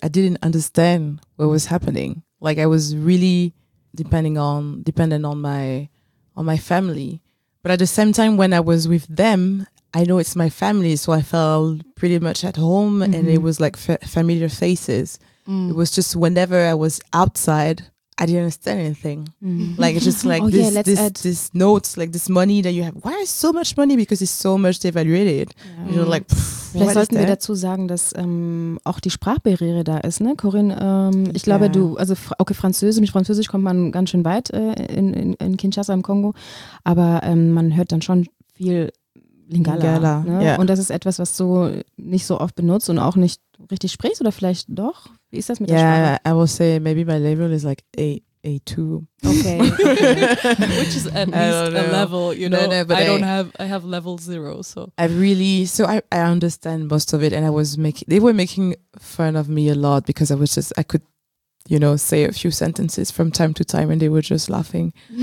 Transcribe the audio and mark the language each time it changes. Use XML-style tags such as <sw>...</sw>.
<en>I didn't understand what was happening. Like I was really dependent on my family, but at the same time when I was with them, I know it's my family, so I felt pretty much at home, mm-hmm. and it was like familiar faces. Mm. It was just whenever I was outside, I didn't understand anything. Mm-hmm. Like, it's just like this notes, like this money that you have. Why is so much money? Because it's so much devaluated. Yeah. You know, like,</en> <de>vielleicht sollten wir dazu sagen, dass auch die Sprachbarriere da ist, ne, Corinne? Ich glaube, du, also okay, Französisch kommt man ganz schön weit in Kinshasa im Kongo, aber man hört dann schon viel Lingala. Ne? Yeah. Und das ist etwas, was du nicht so oft benutzt und auch nicht richtig sprichst, oder vielleicht doch? Wie ist das mit der Sprache?</de> <en>Yeah, I will say maybe my level is like A2. Okay. Which is at least a level, you know. I have level zero, so. I understand most of it, and they were making fun of me a lot because I could, you know, say a few sentences from time to time and they were just laughing.</en>